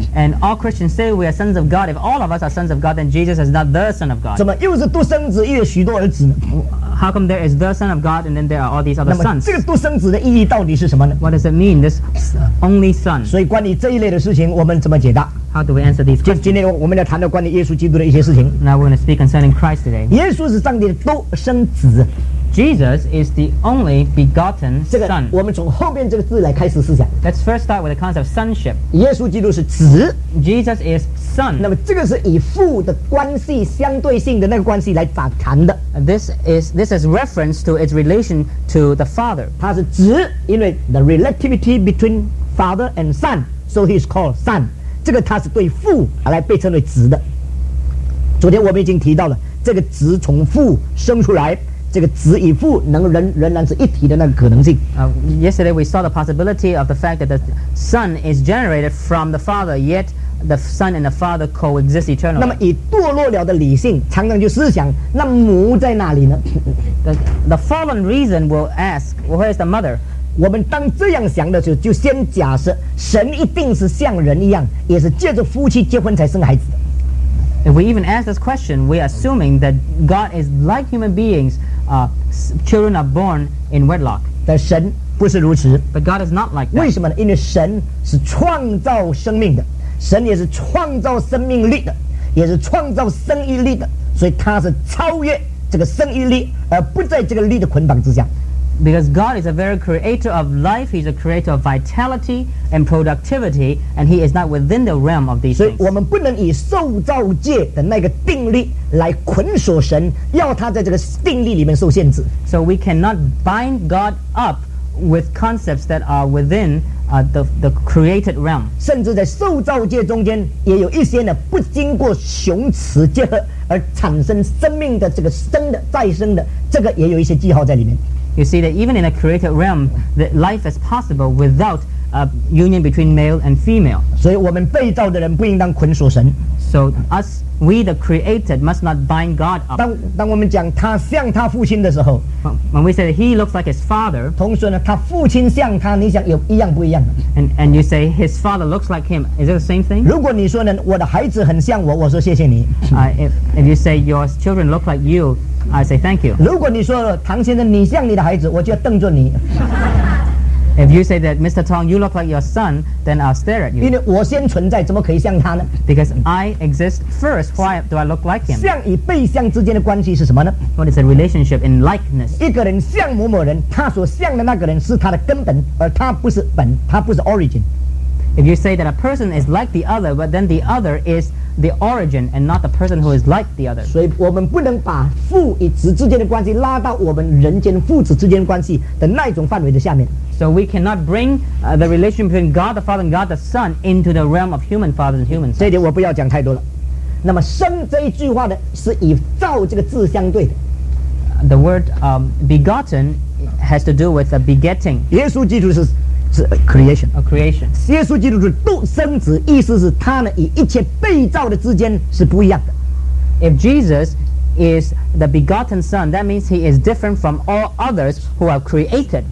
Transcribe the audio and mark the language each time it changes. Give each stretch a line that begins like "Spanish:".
English: And all Christians say we are sons of God. If all of us are sons of God, then Jesus is not the son of God.
Chinese: 怎么又是独生子，又有许多儿子呢？
English: how come there is the Son of God and then there are all these other sons?
Chinese: 这个独生子的意义到底是什么呢？
English: What does it mean, this only son?
Chinese: 所以关于这一类的事情我们怎么解答？
English: How do we answer these questions?
Chinese: 今天我们要谈到关于耶稣基督的一些事情。
English: Now we're going to speak concerning Christ today.
Chinese: 耶稣是上帝的独生子。
English: Jesus is the only begotten son.
Chinese: 我们从后面这个字来开始思想。
English: Let's first start with the concept of sonship.
Chinese: 耶稣基督是子。
English: Jesus is son.
Chinese: 那么这个是以父的关系相对性的那个关系来展谈的。
English: This is reference to its relation to the father.
Chinese: 他是子，因为
English: the relativity between father and son, so he is called son.
Chinese: 这个他是对父来被称为子的。昨天我们已经提到了，这个子从父生出来，这个子与父能仍然是一体的那个可能性。
English: Yesterday we saw the possibility of the fact that the son is generated from the father, yet the son and the father coexist eternally.
Chinese: 那么以堕落了的理性常常就思想，那母在哪里呢？
English: The fallen reason will ask, well, where is the mother?
Chinese: 我们当这样想的时候，就先假设神一定是像人一样，也是借着夫妻结婚才生孩子。
English: If we even ask this question, we're assuming that God is like human beings, children are born in wedlock.
Chinese: 但神不是如此。
English: But God is not like that.
Chinese: 为什么呢？因为神是创造生命的，神也是创造生命力的，也是创造生育力的，所以他是超越这个生育力，而不在这个力的捆绑之下。
English: Because God is a very creator of life, He's a creator of vitality and productivity, and He is not within the realm of these things.
Chinese: 所以我们不能以受造界的那个定力来捆锁神，要他在这个定力里面受限制。
English: So we cannot bind God up with concepts that are within the created realm.
Chinese: 甚至在受造界中间也有一些呢，不经过雄雌结合而产生生命的这个生的再生的，这个也有一些记号在里面。
English: You see that even in a created realm, that life is possible without a union between male and female.
Chinese: 所以我们被造的人不应当捆锁神。
English: So us, we the created, must not bind God up.
Chinese: 当我们讲他像他父亲的时候，
English: when we say that he looks like his father,
Chinese: 同时呢，他父亲像他，你想有一样不一样？
English: And you say his father looks like him, is it the same thing?
Chinese: 如果你说呢，我的孩子很像我，我说谢谢你。
English: If you say your children look like you,I say thank you.
Chinese: 如果你说唐先生你像你的孩子，我就要瞪着你。
English: If you say that Mr. Tong, you look like your son, then I'll stare at you.
Chinese: 因为我先存在，怎么可以像他呢？
English: Because I exist first, why do I look like him?
Chinese: 像与被像之间的关系是什么呢？
English: What is the relationship in likeness?
Chinese: 一个人像某某人，他所像的那个人是他的根本，而他不是本，他不是 origin.
English: If you say that a person is like the other, but then the other is the origin and not the person who is like the other.
Chinese: 所以我们不能把父与子之间的关系拉到我们人间父子之间关系的那种范围的下面。
English: So we cannot bring the relation between God the Father and God the Son into the realm of human fathers and human sons.
Chinese: 这点我不要讲太多了。那么生这一句话呢，是以造这个字相对的。
English: The word begotten has to do with the begetting.
Chinese: 耶稣基督是
English: a creation.
Chinese: 耶稣基督是独生子，意思是他呢与一切被造的之间是不一样的。
English: If Jesus is the begotten Son, that means he is different from all others who are created.